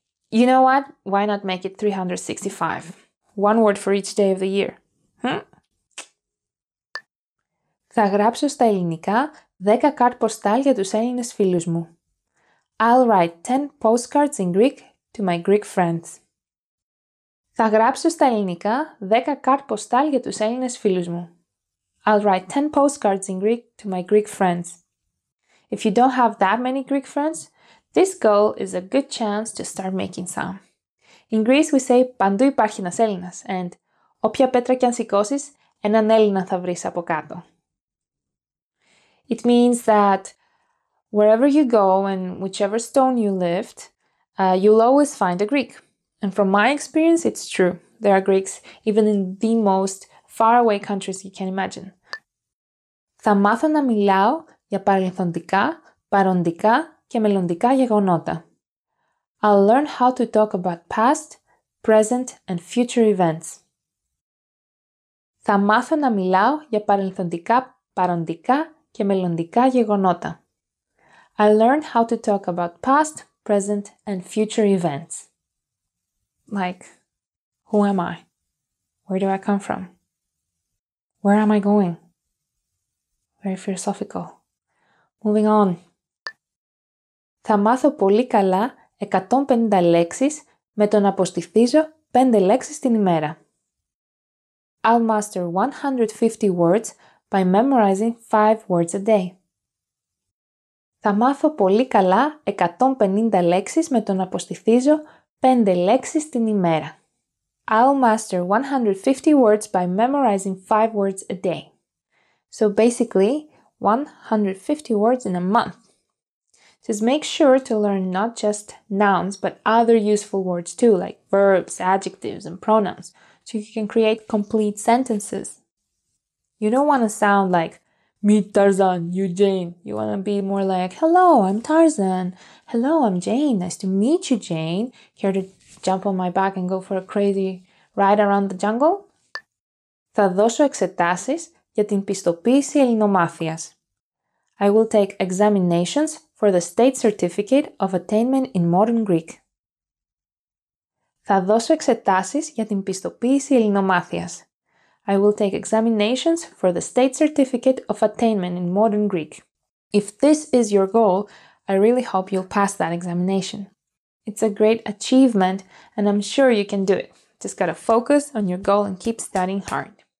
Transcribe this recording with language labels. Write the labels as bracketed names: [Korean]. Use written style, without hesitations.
[English] You know what? Why not make it 365? One word for each day of the year. [Greek] Θα γράψω στα ελληνικά 10 card postal για τους Έλληνες φίλους μου. [English] I'll write 10 postcards in Greek to my Greek friends. [Greek] Θα γράψω στα ελληνικά 10 card postal για τους Έλληνες φίλους μου. [English] I'll write 10 postcards in Greek to my Greek friends. If you don't have that many Greek friends, this goal is a good chance to start making some. In Greece, we say [Greek] «Παντού υπάρχει ένας Έλληνας» and «Όποια πέτρα κι αν σηκώσεις, έναν Έλληνα θα βρεις από κάτω». [English] It means that wherever you go and whichever stone you lift, you'll always find a Greek. And from my experience, it's true. There are Greeks even in the most faraway countries you can imagine. [Greek] Θα μάθω να μιλάω για παρελθοντικά, παροντικά και μελλοντικά γεγονότα. [English] I'll learn how to talk about past, present and future events. [Greek] Θα μάθω να μιλάω για παρελθοντικά, παροντικά και μελλοντικά γεγονότα. [English] I learned how to talk about past, present, and future events. Like, who am I? Where do I come from? Where am I going? Very philosophical. Moving on. [Greek] Θα μάθω πολύ καλά 150 λέξεις με το να αποστηθίζω 5 λέξεις την ημέρα. [English] I'll master 150 words by memorizing 5 words a day. [Greek] Θα μάθω πολύ καλά 150 λέξεις με το να αποστηθίζω 5 λέξεις την ημέρα. [English] I'll master 150 words by memorizing 5 words a day. So basically, 150 words in a month. Just make sure to learn not just nouns, but other useful words too, like verbs, adjectives, and pronouns, so you can create complete sentences. You don't want to sound like, meet Tarzan, you Jane. You want to be more like, hello, I'm Tarzan. Hello, I'm Jane. Nice to meet you, Jane. Care to jump on my back and go for a crazy ride around the jungle? [Greek] Θα δώσω εξετάσεις για την πιστοποίηση ελληνομάθειας. [English] I will take examinations for the state certificate of attainment in modern Greek. [Greek] Θα δώσω εξετάσεις για την πιστοποίηση ελληνομάθειας. [English] I will take examinations for the state certificate of attainment in modern Greek. If this is your goal, I really hope you'll pass that examination. It's a great achievement, and I'm sure you can do it. Just gotta focus on your goal and keep studying hard.